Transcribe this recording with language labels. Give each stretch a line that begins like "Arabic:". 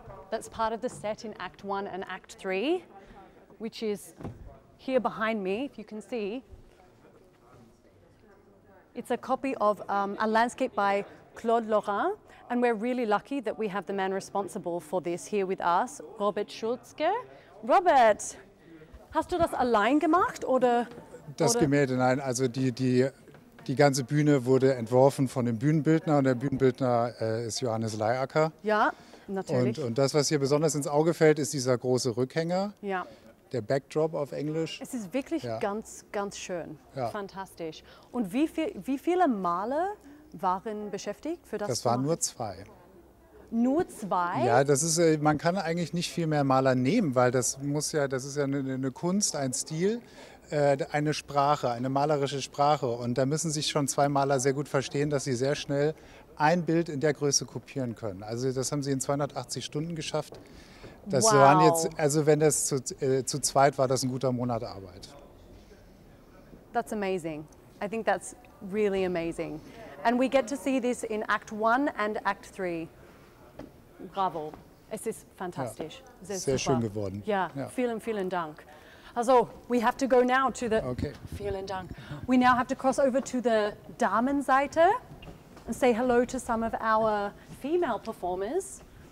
English: That's part of the set in Act 1 and Act 3, which is here behind me, if you can see. It's a copy of a landscape by Claude Lorrain, and we're really lucky that we have the man responsible for this here with us, Robert Schulzke.
German: Robert, hast du das allein gemacht, oder? Das Gemälde, nein, also die ganze Bühne wurde entworfen von dem Bühnenbildner, und der Bühnenbildner ist Johannes Leiacker. Ja. Natürlich. Und das, was hier besonders ins Auge fällt, ist dieser große Rückhänger, ja. Der Backdrop auf Englisch. Es ist wirklich ganz, ganz schön, fantastisch. Und wie viele Maler waren beschäftigt für das? Das waren nur zwei. Nur zwei? Ja, man kann eigentlich nicht viel mehr Maler nehmen, weil das ist ja eine Kunst, ein Stil, eine Sprache, eine malerische Sprache. Und da müssen sich schon zwei Maler sehr gut verstehen, dass sie sehr schnell ein Bild in der Größe kopieren können. Also das haben sie in 280 Stunden geschafft. Das waren jetzt, also wenn das zu zweit war, das ein guter Monat Arbeit.
English: That's amazing. I think that's really amazing. And we get to see this in Act 1 and Act 3.
German: Bravo. Es ist fantastisch. Ja, sehr schön geworden. Ja, vielen, vielen Dank.
English: Also, we have to go now to the... Okay.
German: Vielen Dank.
English: We now have to cross over to the Damenseite. And say hello to some of our female performers.